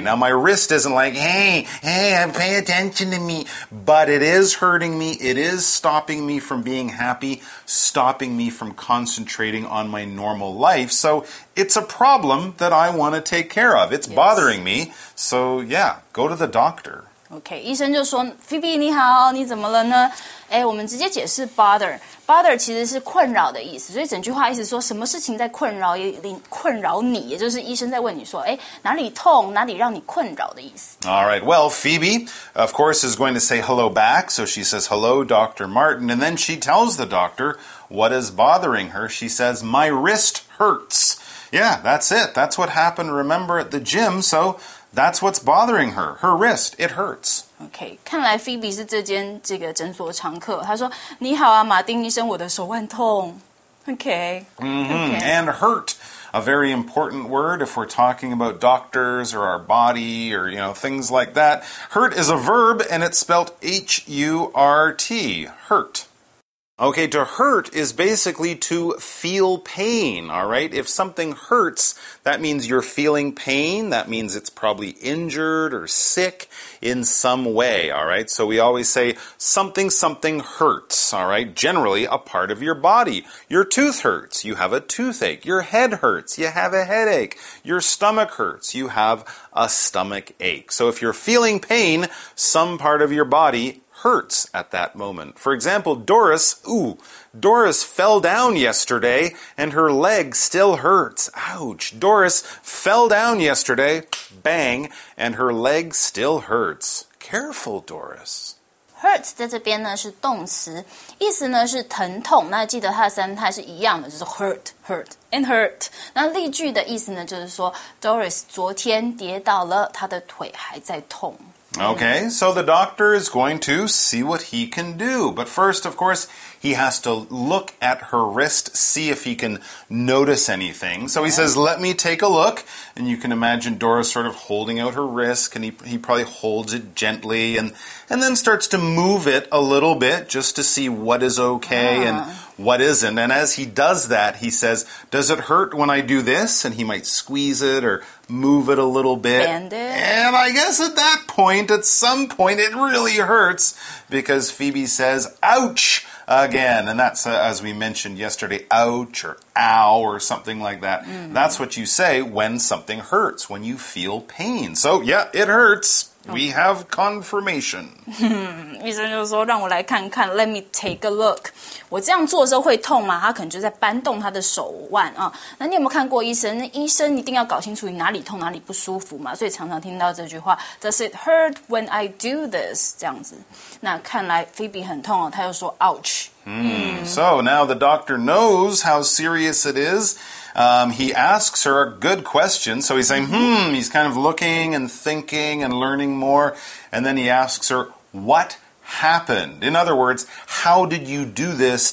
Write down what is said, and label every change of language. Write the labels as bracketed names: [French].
[English] Now, my wrist isn't like, hey, pay attention to me. But it is hurting me. It is stopping me from being happy, stopping me from concentrating on my normal life. So it's a problem that I want to take care of. It's bothering me. So, yeah, go to the doctor. [Chinese] Okay, 医生就说 Phoebe, 你好，你怎么了呢？哎，我们直接解释 bother。 Bother 其实是困扰的意思，所以整句话意思说什么事情在困扰你，也就是医生在问你说，哎，哪里痛，哪里让你困扰的意思。 [English] All right, well, Phoebe, of course, is going to say hello back, so she says, hello, Dr. Martin, and then she tells the doctor what is bothering her. She says, my wrist hurts. Yeah, that's it. That's what happened, remember, at the gym, so... That's what's bothering her. Her wrist, it hurts. [Chinese] Okay, 看来 Phoebe 是这间这个诊所常客。她说，你好啊，马丁医生，我的手腕痛。 [English] Okay. Mm-hmm. Okay. And hurt, a very important word if we're talking about doctors or our body or, you know, things like that. Hurt is a verb and it's spelled H-U-R-T, hurt. Okay, to hurt is basically to feel pain, all right? If something hurts, that means you're feeling pain. That means it's probably injured or sick in some way, all right? So we always say something hurts, all right? Generally, a part of your body. Your tooth hurts. You have a toothache. Your head hurts. You have a headache. Your stomach hurts. You have a stomach ache. So if you're feeling pain, some part of your body hurts at that moment. For example, Doris fell down yesterday and her leg still hurts. Ouch. Doris fell down yesterday, bang, and her leg still hurts. Careful, Doris. [Chinese] Hurt 在这边呢是动词，意思呢是疼痛。那记得它的三态是一样的，就是 [English] hurt and hurt。 [Chinese] 那例句的意思呢就是说 Doris 昨天跌倒了，她的腿还在痛。 [English] Okay, so the doctor is going to see what he can do. But first, of course, he has to look at her wrist, see if he can notice anything. So he says, let me take a look. And you can imagine Dora sort of holding out her wrist, and he probably holds it gently and then starts to move it a little bit just to see what is okay and what isn't. And as he does that, he says, does it hurt when I do this? And he might squeeze it or... move it a little bit. Bend it. And I guess at that point, at some point, it really hurts because Phoebe says, ouch, again. And that's, as we mentioned yesterday, ouch or ow, or something like that. Mm-hmm. That's what you say when something hurts, when you feel pain. So, yeah, it hurts. We have confirmation. [Chinese] 医生就说让我来看看 [English] Let me take a look. [Chinese] 我这样做的时候会痛吗？他可能就在搬动他的手腕啊。那你有没有看过医生？那医生一定要搞清楚你哪里痛哪里不舒服嘛。所以常常听到这句话 [English] Does it hurt when I do this? [Chinese] 这样子。那看来 Phoebe 很痛哦，他又说 Ouch. [English] So now the doctor knows how serious it is. He asks her a good question. So he's saying, he's kind of looking and thinking and learning more. And then he asks her, what happened? In other words, how did you do this?